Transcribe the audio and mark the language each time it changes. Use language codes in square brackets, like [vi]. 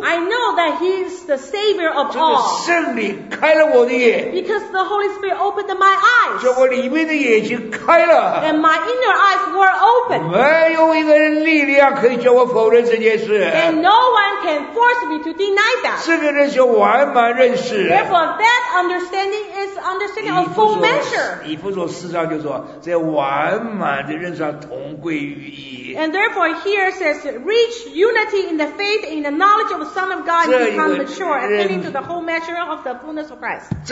[en] I know that he is the savior of all. [zh] 这个圣灵开了我的眼, [en] because the Holy Spirit opened my eyes. [zh] 叫我里面的眼睛开了, [en] and my inner eyes were open. [zh] 没有一个人力量可以叫我否认这件事, [en] and no one can force me to deny that. [zh] 这个人就完满认识, [en] therefore that understanding is understanding of full measure. [zh] 以弗所四章就说, 在完满的认识上同归于义, [en] and therefore here says reach unity in the faith, in the knowledge of the Son of God, become mature, attaining to the whole measure of the fullness of Christ.